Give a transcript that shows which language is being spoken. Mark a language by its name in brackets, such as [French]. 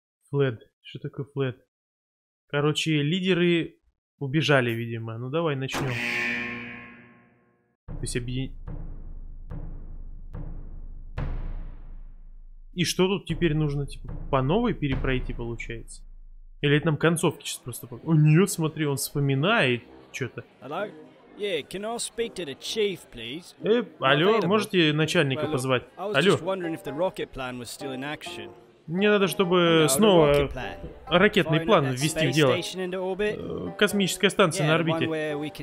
[Russian] Флэд. Что такое флэд? Короче, лидеры убежали, видимо. Ну, давай начнем. То есть И что тут теперь нужно? Типа, по новой перепройти, получается? Или это нам концовки сейчас просто... О, нет, смотри, он вспоминает что-то. [English] Yeah, can I speak to the chief, please? [Russian] Алло, можете начальника позвать? [English] I was just wondering if the rocket plan was still in action. [Russian] Мне надо, чтобы снова ракетный план ввести в дело. Космическая станция на орбите.